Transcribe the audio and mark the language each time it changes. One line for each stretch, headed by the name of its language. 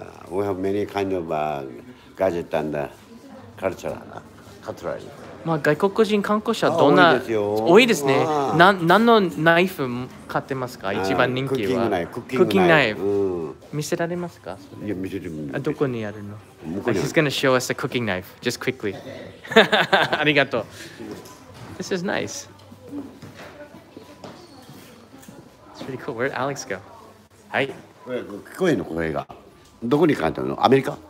English: We have many kind of gadget and cutlery.
Japanese: まあ外国人観光者はどんな多いですね。何のナイフ買ってますか？一番人気は。クッキングナイフ。見せられますか？いや見せる。どこにあるの？
English: He's gonna show us the cooking knife just quickly.
Japanese: ありがとう。
English: This is nice. It's pretty cool. Where'd Alex go?
Japanese: はい。聞こえるの声が。どこに書いてあるの？アメリカ？